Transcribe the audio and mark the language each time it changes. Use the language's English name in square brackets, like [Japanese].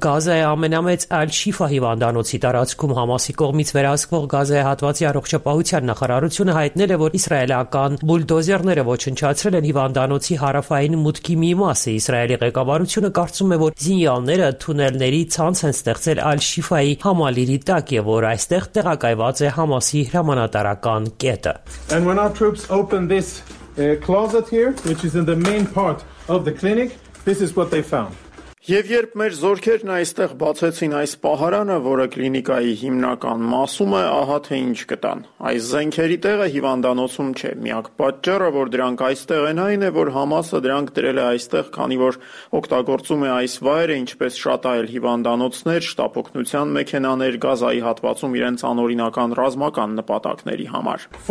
[Armenian] Գազայի ամենամեծ Ալ-Շիֆա հիվանդանոցի տարածքում։ Համասի կողմից վերահսկվող Գազայի հատվածի առողջապահության նախարարությունը հայտնել է, որ իսրայելական բուլդոզերները ոչնչացրել են հիվանդանոցի հարավային մուտքի մի մասը։ Իսրայելի ղեկավարությունը կարծում է, որ զինյալները թունելների ցանց են ստեղծել Ալ-Շիֆայի համալիրի տակ, եւ որ այստեղ տեղակայված է Համասի հրամանատարական կետը։ [English] And when our troops opened this closet here, which is in the main part of the clinic, this is what they found. [Armenian] Եվ երբ մեր զորքերն այստեղ բացեցին այս պահարանը, որը կլինիկայի հիմնական մասում է, ահա թե ինչ կտան։ Այս զենքերի տեղը հիվանդանոցում չէ, միակ պատճառը, որ դրանք այստեղ են, այն է, որ Համասը դրանք դրել է այստեղ, քանի որ օգտագործում է այս վայրը, ինչպես շատ այլ հիվանդանոցներ, շտապօգնության մեքենաներ Գազայի հատվածում իրենց անօրինական ռազմական նպատակների համար։